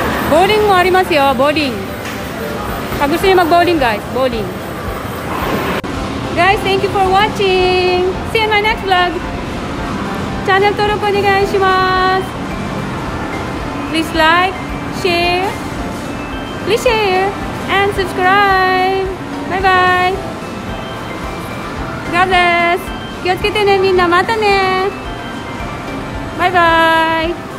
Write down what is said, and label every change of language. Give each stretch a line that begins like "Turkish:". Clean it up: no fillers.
Japanese: ボーリングもありますよ、ボーリング。タグスリマボーリング、ガイズ、ボーリング。
English: Guys, thank you for watching. See you in my next vlog.
Japanese: チャンネル登録お願いします。
English: Please like, share, please share and subscribe. Bye bye. God bless.
Japanese: 気をつけてね、みんな。またね。バイバイ。